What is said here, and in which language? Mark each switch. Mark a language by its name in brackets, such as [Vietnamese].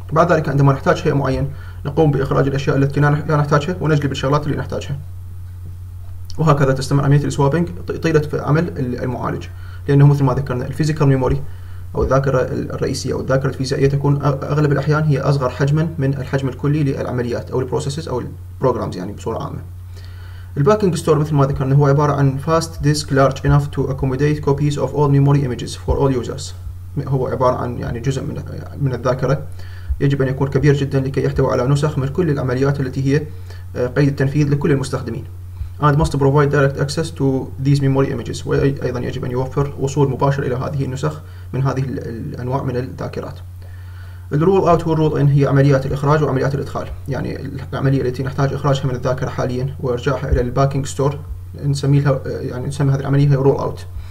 [Arabic] بعد ذلك عندما نحتاج شيء معين نقوم باخراج الاشياء التي لا نحتاجها ونجلب الشغلات اللي نحتاجها، وهكذا تستمر عمليه السوابينج طيله في عمل المعالج، لانه مثل ما ذكرنا الفيزيكال ميموري أو الذاكرة الرئيسية أو الذاكرة الفيزيائية تكون أغلب الأحيان هي أصغر حجما من الحجم الكلي للعمليات أو البروسيسز أو البروغرامز يعني بصورة عامة. [English] الباكينج ستور [Arabic] مثل ما ذكرنا هو عبارة عن [English] fast disk large enough to accommodate copies of all memory images for all users. [Arabic] هو عبارة عن يعني جزء من الذاكرة يجب أن يكون كبير جدا لكي يحتوي على نسخ من كل العمليات التي هي قيد التنفيذ لكل المستخدمين. [English] And must provide direct access to these memory images. [Arabic] وأيضا يجب أن يوفر وصول مباشر إلى هذه النسخ من هذه الأنواع من الذاكرات. الرول أوت والرول إن هي عمليات الإخراج وعمليات الإدخال. يعني العملية التي نحتاج إخراجها من الذاكرة حاليا وإرجاعها إلى الباكينج ستور نسميها يعني نسمي هذه العملية هي رول أوت.